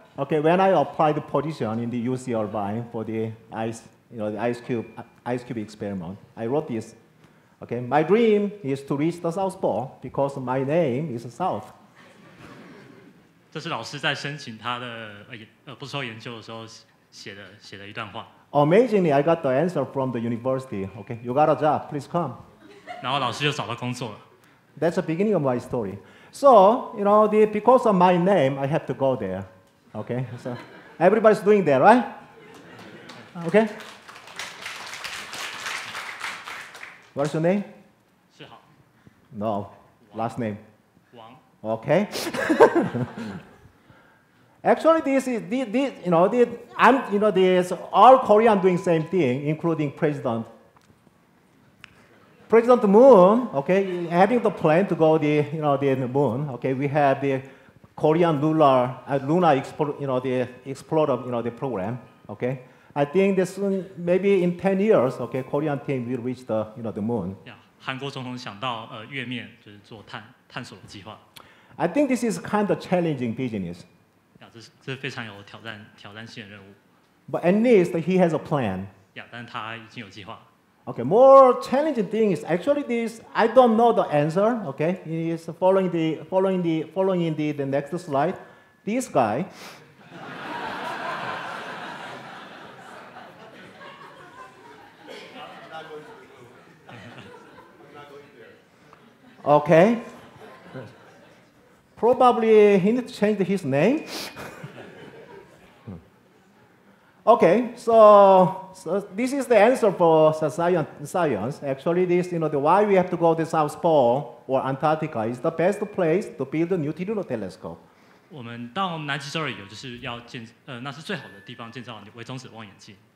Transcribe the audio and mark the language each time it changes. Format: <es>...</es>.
<en>Okay, when I applied the position in the UC Irvine for the ice cube experiment, I wrote this. Okay, my dream is to reach the South Pole because my name is South.</en> <zh>这是老师在申请他的博士后研究的时候写的一段话。</zh> <en>Amazingly, I got the answer from the university. Okay, you got a job. Please come.</en> <zh>然后老师就找到工作了。</zh> <en>That's the beginning of my story. So, you know, because of my name, I have to go there. Okay, so everybody's doing that, right? Okay. What's your name?</en> <zh>是好。</zh> <en>No, last name.</en> <zh>王。</zh> <en>Okay. Actually, this is all Korean doing the same thing, including President. President Moon, okay, having the plan to go the moon, okay, we have the Korean Lunar Explorer program, okay. I think this soon, maybe in 10 years, okay, Korean team will reach the moon.</en> <zh>Yeah, 韩国总统想到月面就是做探索的计划。</zh> <en>I think this is kind of challenging business. Yeah, this is</en> <zh>非常有挑战性的任务。</zh> <en>But at least he has a plan.</en> <zh>Yeah, 但他已经有计划。</zh> <en>Okay, more challenging thing is actually this, I don't know the answer, okay? It is following the next slide. This guy. Okay. Probably he needs to change his name. Okay, So this is the answer for science. Actually, this, you know, the why we have to go to the South Pole or Antarctica is the best place to build a new telescope.</en> <zh>我们到南极洲的理由就是要建，那是最好的地方建造微中子望远镜。</zh>